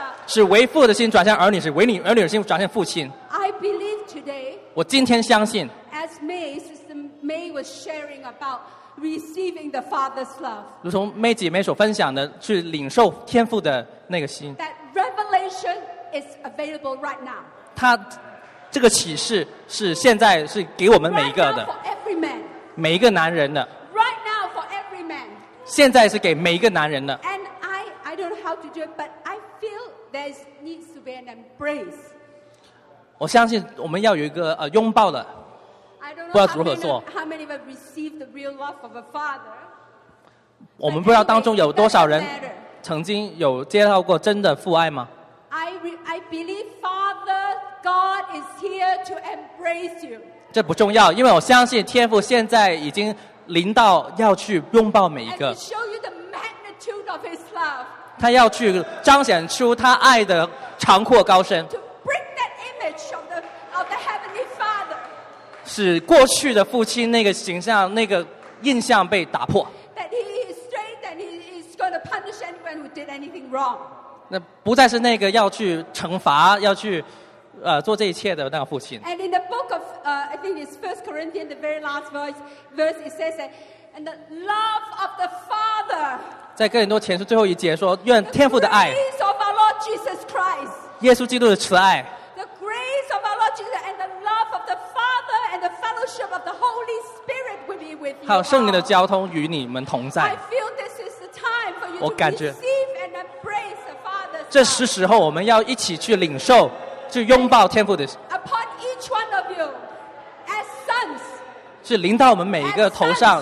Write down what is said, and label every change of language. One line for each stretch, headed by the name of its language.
Chinese: 是为父的心转向儿女，是为你儿女的心转向父亲。
English: I believe today,
Chinese: 我今天相信。
English: As May, Sister May was sharing about receiving the Father's love.
Chinese: 如同May姐妹所分享的，去领受天父的那个心。
English: That revelation is available right now.
Chinese: 他。这个启示是现在是给我们每一个的
English: right now for every man.
Chinese: 每一个男人的
English: right now for every man.
Chinese: 现在是给每一个男人的
English: and I don't know how to do it but I feel there needs to be an embrace
Chinese: 我相信我们要有一个拥抱的
English: I don't know
Chinese: 不知道如何做
English: how many of us receive the real love of a father
Chinese: 我们不知道当中有多少人曾经有接到过真的父爱吗
English: I believe fatherGod is here to embrace you.
Chinese: 这不重要，因为我相信天父现在已经临到要去拥抱每一个。
English: And to show you the magnitude of His love.
Chinese: 他要去彰显出他爱的长阔高深。
English: To bring that image of the heavenly Father.
Chinese: 使过去的父亲那个形象、那个印象被打破。
English: That He is straight and He is going to punish anyone who did anything wrong.
Chinese: 那不再是那个要去惩罚、要去。做这一切的那个父亲。
English: And in the book of, I think it's First Corinthians, the very last verse, it says that, and the love of the Father.
Chinese: 在哥林多前书最后一节说，愿天父的爱。
English: The grace of our Lord Jesus Christ.
Chinese: 耶稣基督的慈爱。
English: The grace of our Lord Jesus and the love of the Father and the fellowship of the Holy Spirit will be with you.
Chinese: 还有圣灵的交通与你们同在。
English: I feel this is the time for you to receive and embrace the Father.
Chinese: 这是时候我们要一起去领受。去拥抱天父的
English: upon each one of you as sons
Chinese: 是临到我们每一个头上